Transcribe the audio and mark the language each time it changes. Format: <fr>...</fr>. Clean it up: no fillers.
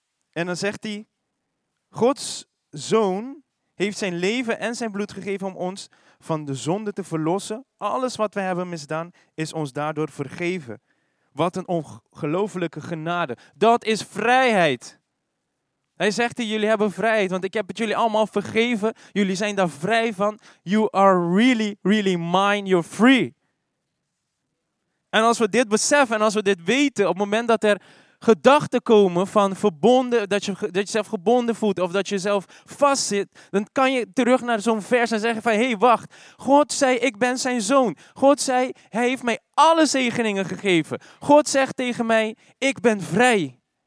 <nl>En dan zegt hij, Gods zoon heeft zijn leven en zijn bloed gegeven om ons van de zonde te verlossen. Alles wat we hebben misdaan is ons daardoor vergeven. Wat een ongelofelijke genade. Dat is vrijheid. Hij zegt hier, jullie hebben vrijheid, want ik heb het jullie allemaal vergeven. Jullie zijn daar vrij van.</nl> <en>You are really, really mine. You're free.</en> <nl>En als we dit beseffen en als we dit weten, op het moment dat er gedachten komen van verbonden, dat je zelf gebonden voelt of dat je zelf vastzit, dan kan je terug naar zo'n vers en zeggen van, hey, wacht, God zei, ik ben zijn zoon. God zei, hij heeft mij alle zegeningen gegeven. God zegt tegen mij, ik ben vrij.</nl>